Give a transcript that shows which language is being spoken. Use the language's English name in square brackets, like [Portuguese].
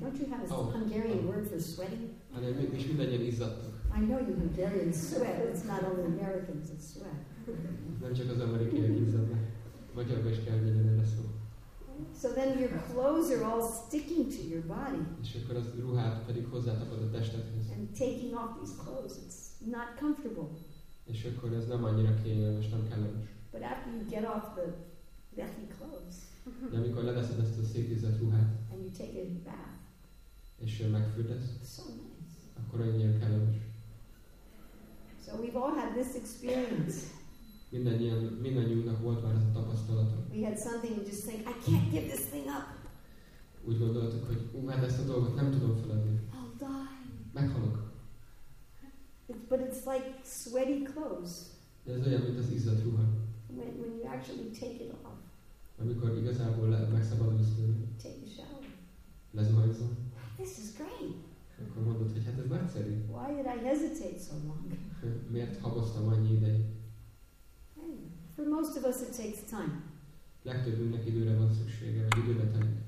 [English] Don't you have a Hungarian word for sweaty? I know you Hungarians sweat. It's not only Americans that sweat. [Hungarian] Nem csak az amerikaiak izzadnak. Magyarban is kell legyen erre szó. [English] So then your clothes are all sticking to your body. [Hungarian] És akkor az ruhát pedig hozzátapad a testedhez. [English] And taking off these clothes, it's not comfortable. [Hungarian] És akkor ez nem annyira kényelmes, nem kellemes. [English] But after you get off the dirty clothes. [Hungarian] De amikor leveszed ezt a szétizzadt ruhát, [English] and you take it back, [Hungarian] és megfürdesz, [English] so nice. [Hungarian] Akkor annyira kellemes. [English] So we've all had this experience. [Hungarian] Mindannyiunknak volt már ez a tapasztalata. [English] We had something just think, I can't give this thing up. [Hungarian] Úgy gondoltuk, hogy hát ezt a dolgot nem tudom feladni. [English] I'll die. [Hungarian] Meghalok. [English] But it's like sweaty clothes. [Hungarian] De ez olyan, mint az izzadt ruha. [English] When you actually take it off. [Hungarian] Amikor igazából megszabadulsz tőle. [English] Take a shower. [Hungarian] Lezuhanyzom. [English] This is great. [Hungarian] Akkor mondod, hogy hát ez nagyszerű. [English] Why did I hesitate so long? [Hungarian] Miért haboztam annyi ideig? [English] For most of us it takes time. [Hungarian] Legtöbbünknek időre van szüksége, vagy időbe telik.